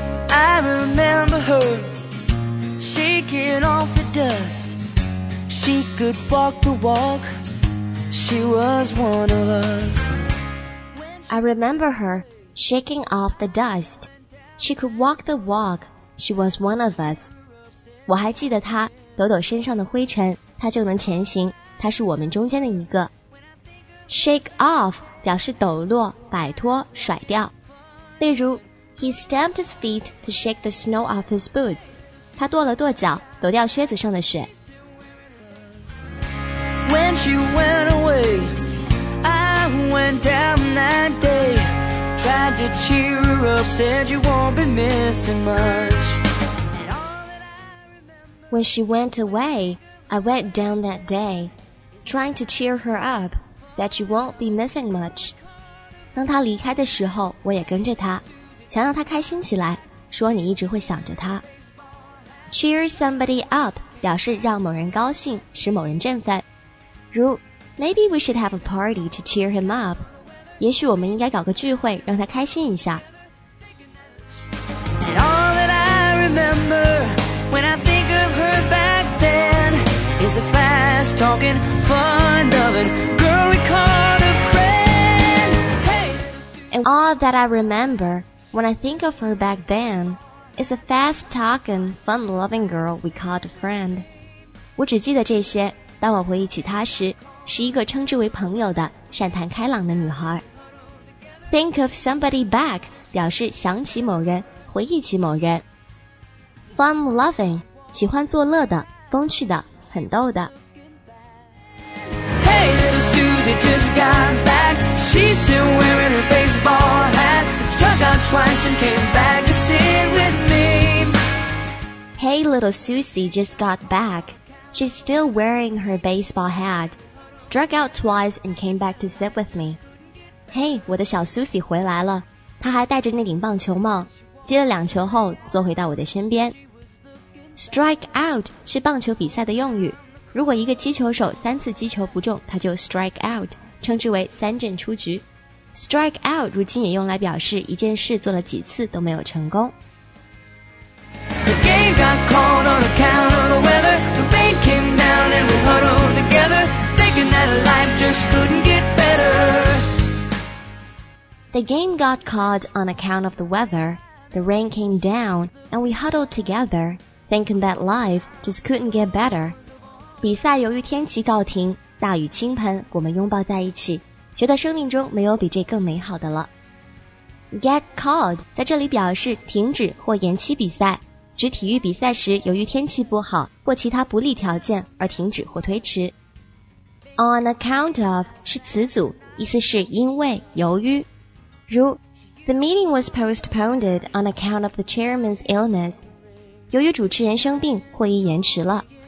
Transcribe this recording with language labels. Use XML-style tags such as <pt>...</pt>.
<en>I remember her shaking off the dust. She could walk the walk. She was one of us. I remember her shaking off the dust. She could walk the walk. She was one of us.</en> <zh>我还记得她抖抖身上的灰尘，她就能前行。她是我们中间的一个。</zh> <en>Shake off</en> <zh>表示抖落、摆脱、甩掉。例如。</zh> <en>He stamped his feet to shake the snow off his boots.</en> <zh>他跺了跺脚，抖掉靴子上的雪。</zh> <en>When she went away, I went down that day. Tried to cheer her up, said you won't be missing much. When she went away, I went down that day. Trying to cheer her up, said you won't be missing much.</en> <zh>当她离开的时候，我也跟着她。想让他开心起来，说你一直会想着他。</zh> <en>Cheer somebody up</en> <zh>表示让某人高兴，使某人振奋。</zh> <en>如 Maybe we should have a party to cheer him up.</en> <zh>也许我们应该搞个聚会，让他开心一下。</zh> <en>And all that I remember when I think of her back then is a fast talking, fun loving girl we called a friend. And all that I rememberWhen I think of her back then, it's a fast-talking, fun-loving girl we called a friend.</en> <zh>我只记得这些，当我回忆起她时，是一个称之为朋友的善谈开朗的女孩。</zh> <en>Think of somebody back</en> <zh>表示想起某人，回忆起某人。</zh> <en>Fun loving</en> <zh>喜欢作乐的，风趣的，很逗的。</zh> <en>Hey little Susie just got back. She's still wearing her baseball hat. Struck out twice and came back to sit with me. Hey little Susie just got back. She's still wearing her baseball hat. Struck out twice and came back to sit with me.</en> <zh>Hey, 我的小 Susie 回来了，她还戴着那顶棒球帽，接了两球后坐回到我的身边。</zh> <en>Strike out</en> <zh>是棒球比赛的用语，如果一个击球手三次击球不中，他就</zh> <en>strike out，</en> <zh>称之为三振出局。</zh> <en>Strike out</en> <zh>如今也用来表示一件事做了几次都没有成功。</zh> <en>The game got caught on account of the weather. The rain came down and we huddled together, thinking that life just couldn't get better. The game got caught on account of the weather. The rain came down and we huddled togetherThinking that life just couldn't get better.</en> <zh>比赛由于天气告停，大雨倾盆，我们拥抱在一起，觉得生命中没有比这更美好的了。</zh> <en>Get called</en> <zh>在这里表示停止或延期比赛，指体育比赛时由于天气不好或其他不利条件而停止或推迟。</zh> <en>On account of</en> <zh>是词组，意思是因为、由于，如</zh> <en>The meeting was postponed on account of the chairman's illness.</en> <zh>由于主持人生病，会议延迟了。</zh>